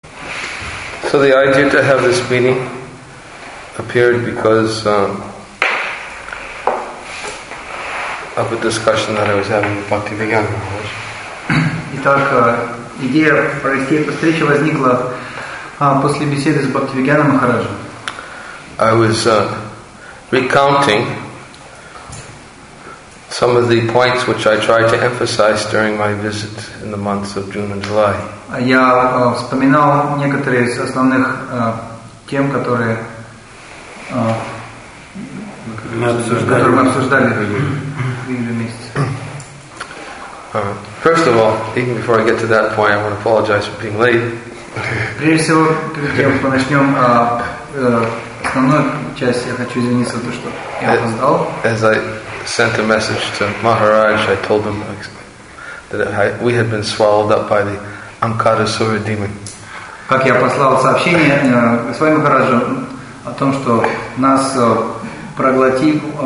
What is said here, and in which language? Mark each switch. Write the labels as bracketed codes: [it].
[en] So the idea to have this meeting appeared because of a discussion that I was having with Bhakti Vigyan Maharaj. [ru] Итак, идея провести эту встречу возникла после беседы с Бхакти Вигьяном Махараджем. [en] I was recounting some of the points which I tried to emphasize during my visit in the months of June and July. [ru] Я вспоминал некоторые из основных тем, которые мы обсуждали в июле месяце. [en] First of all, even before I get to that point, I want to apologize for being late. [ru] Прежде всего, перед тем, как мы начнем основную часть, я хочу извиниться за то, что я опоздал. [en] As I sent a message to Maharaj, I told him that we had been swallowed up by the Ankarasura demon. [ru] Как я послал сообщение своим Махараджам о том, что нас проглотил